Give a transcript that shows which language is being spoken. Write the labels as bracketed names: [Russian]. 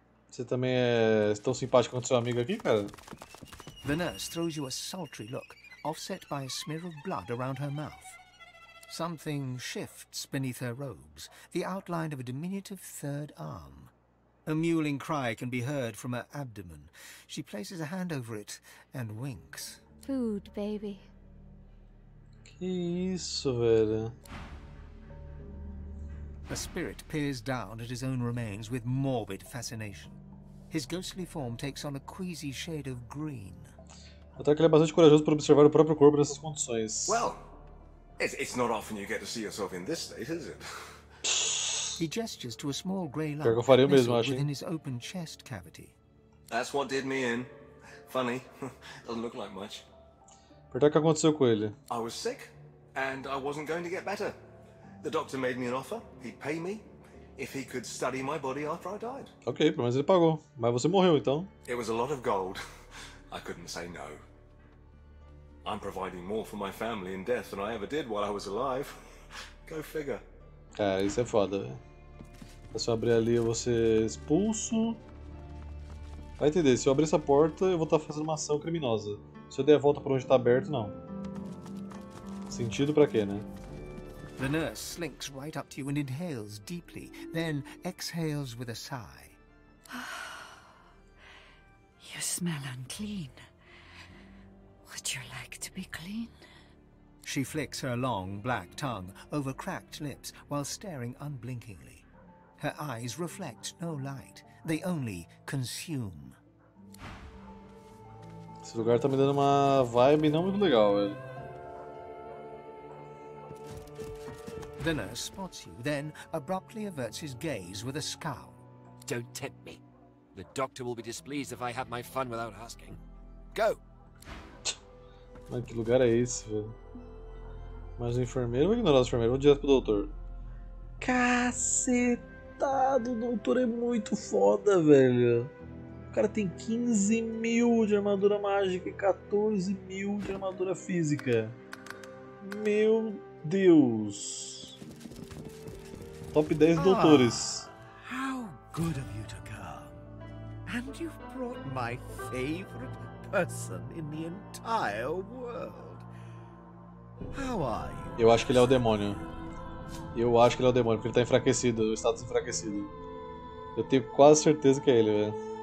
[Portuguese] Você também é tão simpático quanto seu amigo aqui, cara? [English] The nurse throws you a sultry look, offset by a smear of blood around her mouth. Something shifts beneath her robes, the outline of a diminutive third arm. A mewling cry can be heard from her abdomen. She places a hand over it and winks. Food, baby. [Portuguese] Que isso, velho? [English] A spirit peers down at his own remains with morbid fascination. His ghostly form takes on a queasy shade of green. [Portuguese] Até que ele é bastante corajoso para observar o próprio corpo nessas condições. [English] Well, it's not often you get to see yourself in this state, is it? He gestures to a small grey lump within his open chest cavity. That's what did me in. Funny, doesn't look like much. [Portuguese] Perguntar o que aconteceu com ele. [English] I was sick, and I wasn't going to get better. The doctor made me an offer. He'd pay me if he could study my body after I died. [Portuguese] Okay, pelo menos ele pagou. Mas você morreu, então. [English] It was a lot of gold. I couldn't say no. I'm providing more for my family in death than I ever did while I was alive. Go figure. [Portuguese] Cara, isso é foda, velho. Se eu abrir ali, eu vou ser expulso. Vai entender, se eu abrir essa porta, eu vou estar fazendo uma ação criminosa. Se eu der a volta para onde está aberto, não. Sentido para quê, né? [English] The nurse slinks right up to you and inhales deeply, then exhales with a sigh. You smell unclean. Would you like to be clean? She flicks her long black tongue over cracked lips while staring unblinkingly. Her eyes reflect no light. They only consume. [Portuguese] Esse lugar tá me dando uma vibe não muito legal, velho. [English] The nurse spots you, then abruptly averts his gaze with a scowl. Don't tempt me. The doctor will be displeased if I have my fun without asking. Go! [Portuguese] Mano, que lugar é esse, velho? Mas o enfermeiro, vou ignorar o enfermeiro, vou direto pro doutor. Cacetado, o doutor é muito foda, velho. O cara tem 15 mil de armadura mágica e 14 mil de armadura física. Meu Deus. Top 10 doutores. [English] How good of you to come. And you've brought my favorite person in the entire world. How are you? [Portuguese] Eu acho que ele é o demônio. Eu acho que ele é o demônio, porque ele tá enfraquecido, o status enfraquecido. Eu tenho quase certeza que é ele, velho.